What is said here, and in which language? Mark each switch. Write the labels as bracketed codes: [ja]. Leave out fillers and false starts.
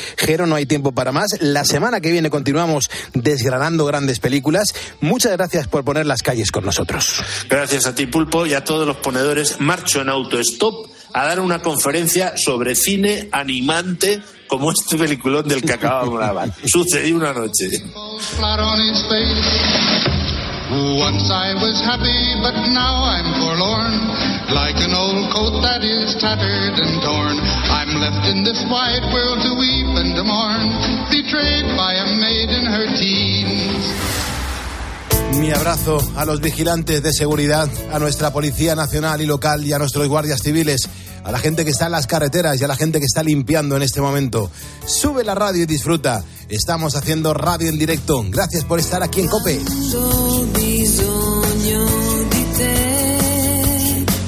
[es] Jero, no hay tiempo para más. La semana que viene continuamos desgranando grandes películas. Muchas gracias por poner las calles con nosotros. Gracias a ti, Pulpo, y a todos los ponedores. Marcho en autostop a dar una conferencia sobre cine animante como este peliculón del que acabamos de grabar. Sucedió una noche. [en] Once I was happy, but now I'm forlorn. Like an old coat that is tattered and torn. I'm left in this wide world to weep and to mourn. Betrayed by a maid in her teens. [es] Mi abrazo a los vigilantes de seguridad, a nuestra Policía Nacional y local y a nuestros guardias civiles, a la gente que está en las carreteras y a la gente que está limpiando en este momento. Sube la radio y disfruta. Estamos haciendo radio en directo. Gracias por estar aquí en COPE. Cuando [it] bisogno di te,